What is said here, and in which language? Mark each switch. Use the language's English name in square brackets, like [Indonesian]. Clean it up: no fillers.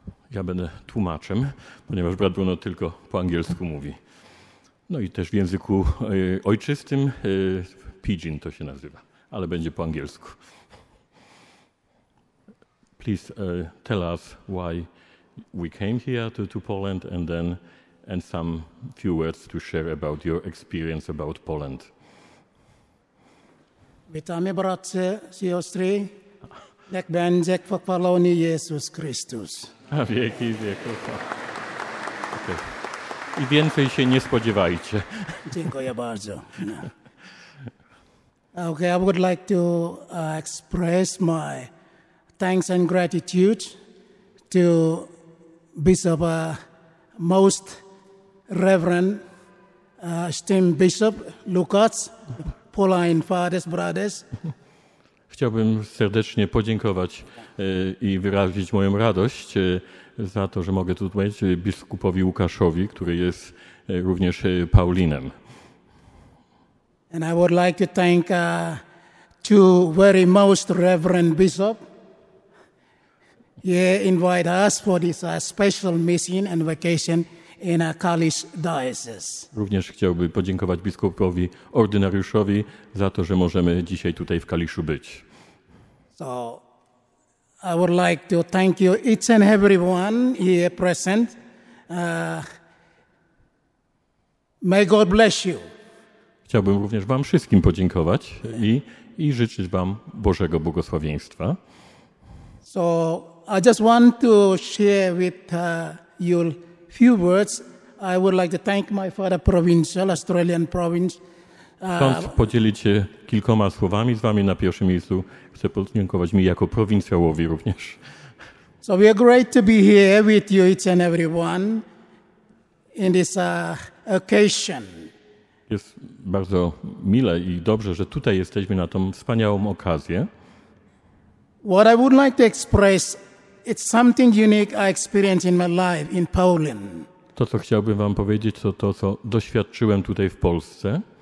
[Polish] Ja będę tłumaczem, ponieważ brat Bruno tylko po angielsku mówi. No i też w języku ojczystym, pidgin to się nazywa, ale będzie po angielsku. [English] Please tell us why we came here to Poland and some few words to share about your experience about Poland. [Polish] Witamy bratce, siostry. Niech będzie pochwalony Jezus Chrystus. A wieki wieku. Okay. I więcej się nie spodziewajcie. Dziękuję bardzo. [English] Okay, I would like to express my thanks and gratitude to Bishop, most reverend, esteemed Bishop Lukacz, Pauline Fathers, Brothers. [Polish] Chciałbym serdecznie podziękować i wyrazić moją radość za to, że mogę tu być biskupowi Łukaszowi, który jest również Paulinem. [English] And I would like to thank two very most reverend bishop. Yeah, invite us for this special mission and vacation in a Kalisz diocese. [Polish] Również chciałbym podziękować biskupowi ordynariuszowi za to, że możemy dzisiaj tutaj w Kaliszu być. [English] So I would like to thank you each and everyone here present. May God bless you. [Polish] Chciałbym również wam wszystkim podziękować i życzyć wam Bożego błogosławieństwa. [English] So I just want to share with you few words, I would like to thank my father provincial, Australian province. [Polish] Chcąc podzielić się kilkoma słowami z wami na pierwszym miejscu, chcę podziękować mi jako prowincjałowi również. [English] So we are great to be here with you each and everyone in this occasion. [Polish] Jest bardzo mile i dobrze, że tutaj jesteśmy na tą wspaniałą okazję. [English] What I would like to express, it's something unique I experienced in my life in Poland. [Polish] To, co chciałbym wam powiedzieć, to to, co doświadczyłem tutaj w Polsce.